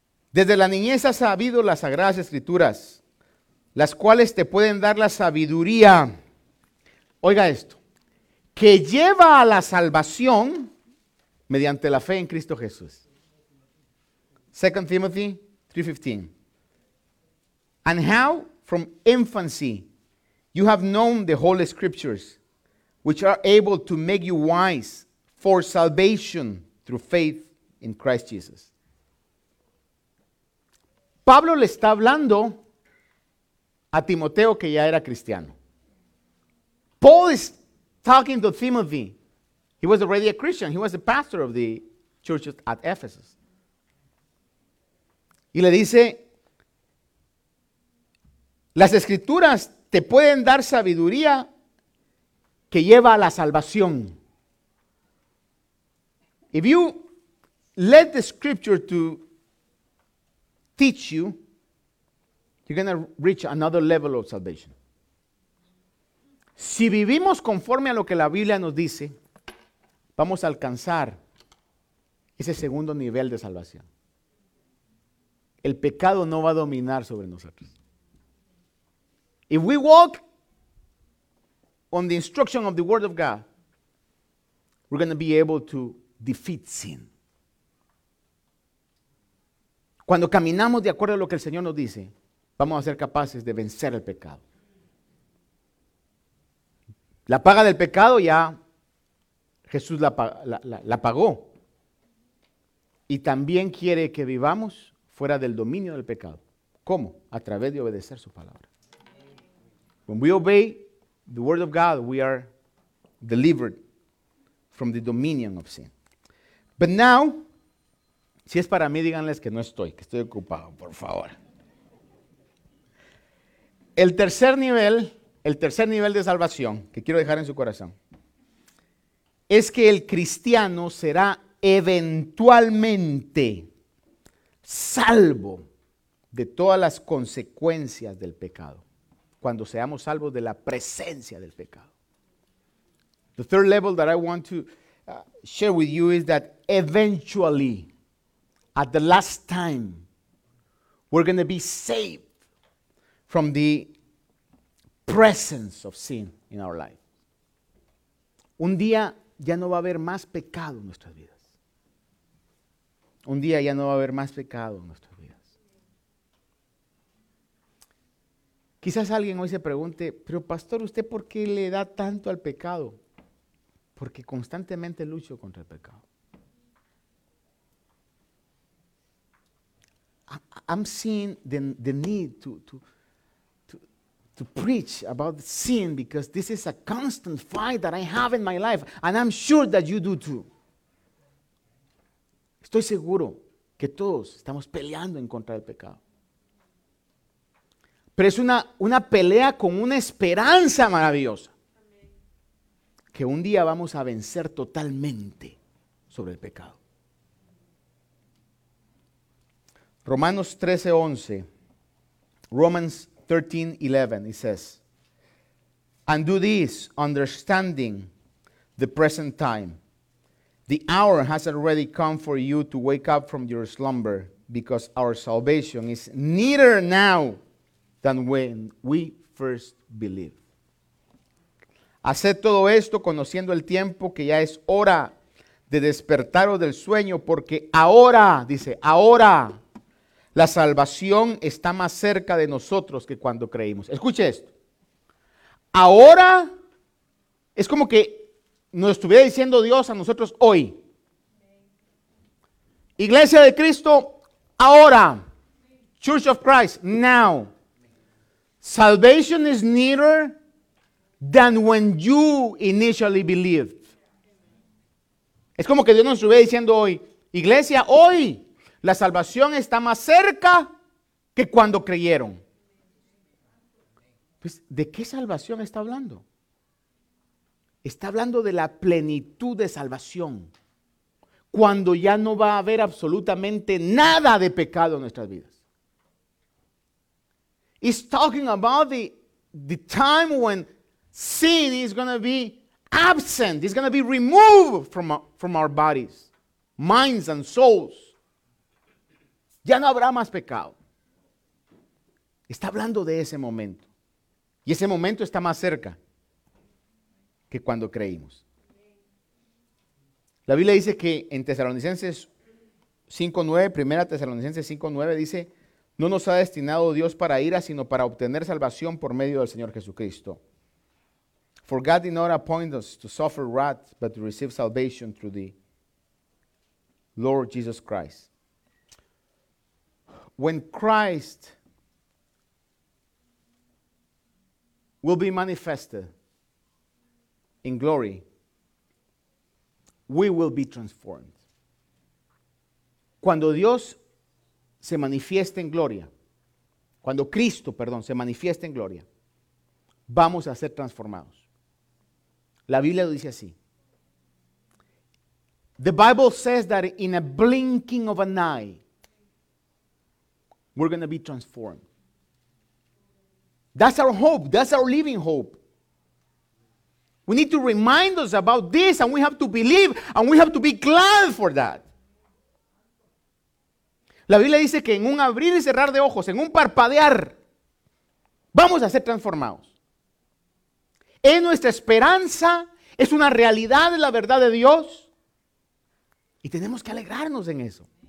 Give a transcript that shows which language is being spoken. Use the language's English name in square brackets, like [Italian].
[Spanish] Desde la niñez has sabido las sagradas escrituras, las cuales te pueden dar la sabiduría. Oiga esto, que lleva a la salvación mediante la fe en Cristo Jesús. [English] 2 Timothy 3:15. And how from infancy you have known the holy scriptures, which are able to make you wise for salvation through faith in Christ Jesus. [Spanish] Pablo le está hablando a Timoteo, que ya era cristiano. [English] Paul is talking to Timothy. He was already a Christian. He was the pastor of the church at Ephesus. [Spanish] Y le dice, las escrituras te pueden dar sabiduría que lleva a la salvación. [English] If you let the scripture to teach you, you're going to reach another level of salvation. [Spanish] Si vivimos conforme a lo que la Biblia nos dice, vamos a alcanzar ese segundo nivel de salvación. El pecado no va a dominar sobre nosotros. [English] If we walk on the instruction of the word of God, we're going to be able to defeat sin. [Spanish] Cuando caminamos de acuerdo a lo que el Señor nos dice, vamos a ser capaces de vencer el pecado. La paga del pecado ya Jesús la pagó. Y también quiere que vivamos fuera del dominio del pecado. ¿Cómo? A través de obedecer su palabra. [English] When we obey the word of God, we are delivered from the dominion of sin. But now, [Spanish] si es para mí, díganles que no estoy, que estoy ocupado, por favor. El tercer nivel de salvación que quiero dejar en su corazón es que el cristiano será eventualmente salvo de todas las consecuencias del pecado. Cuando seamos salvos de la presencia del pecado. [English] The third level that I want to share with you is that eventually, at the last time, we're going to be saved from the presence of sin in our life. [Spanish] Un día ya no va a haber más pecado en nuestras vidas. Un día ya no va a haber más pecado en nuestras vidas. Quizás alguien hoy se pregunte, pero pastor, ¿usted por qué le da tanto al pecado? Porque constantemente lucho contra el pecado. [English] I'm seeing the need to preach about sin because this is a constant fight that I have in my life and I'm sure that you do too. [Spanish] Estoy seguro que todos estamos peleando en contra del pecado. Pero es una pelea con una esperanza maravillosa. Que un día vamos a vencer totalmente sobre el pecado. Romanos 13:11. [English] Romans 13:11. It says, and do this, understanding the present time. The hour has already come for you to wake up from your slumber, because our salvation is nearer now than when we first believed. [Spanish] Haced todo esto conociendo el tiempo, que ya es hora de despertaros del sueño, porque ahora, dice, ahora, la salvación está más cerca de nosotros que cuando creímos. Escuche esto. Ahora, es como que nos estuviera diciendo Dios a nosotros hoy. Iglesia de Cristo, ahora. [English] Church of Christ, now. Salvation is nearer than when you initially believed. [Spanish] Es como que Dios nos estuviera diciendo hoy, iglesia, hoy la salvación está más cerca que cuando creyeron. Pues, ¿de qué salvación está hablando? Está hablando de la plenitud de salvación, cuando ya no va a haber absolutamente nada de pecado en nuestras vidas. [English] He's talking about the time when sin is going to be absent. It's going to be removed from our bodies, minds and souls. [Spanish] Ya no habrá más pecado. Está hablando de ese momento. Y ese momento está más cerca que cuando creímos. La Biblia dice que en Tesalonicenses 5:9, primera Tesalonicenses 5:9 dice: no nos ha destinado Dios para ira, sino para obtener salvación por medio del Señor Jesucristo. [English] For God did not appoint us to suffer wrath, but to receive salvation through the Lord Jesus Christ. When Christ will be manifested in glory, we will be transformed. [Spanish] Cuando Dios se manifieste en gloria, cuando Cristo, perdón, se manifieste en gloria, vamos a ser transformados. La Biblia lo dice así. [English] The Bible says that in a blinking of an eye, we're going to be transformed. That's our hope. That's our living hope. We need to remind us about this, and we have to believe, and we have to be glad for that. [Spanish] La Biblia dice que en un abrir y cerrar de ojos, en un parpadear, vamos a ser transformados. Es nuestra esperanza, es una realidad de la verdad de Dios. Y tenemos que alegrarnos en eso.